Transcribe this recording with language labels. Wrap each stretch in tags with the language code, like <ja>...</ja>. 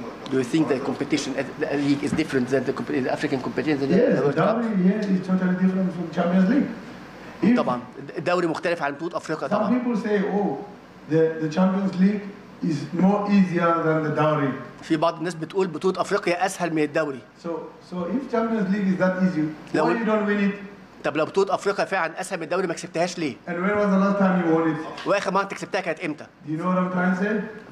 <en>Do you think the competition league is different than the African competition? Yes, the Dowry is totally different from Champions League.</en> <ar>طبعا الدوري مختلف عن بطولة أفريقيا طبعا.</ar> <en>Some people say, oh, the Champions League is more easier than the dowry.</en> <ar>في بعض الناس بتقول بطولة افريقيا اسهل من الدوري.</ar> <en>So if Champions League is that easy, why you don't win it?</en> <ar>طب لو بطولة افريقيا فعلا اسهل من الدوري ما كسبتهاش ليه؟</ar> <en>And when was the last time you won it?</en> <ar>واخر مرة كسبتها كانت امتى؟</ar> <en>Do you know what I'm trying to say?</en>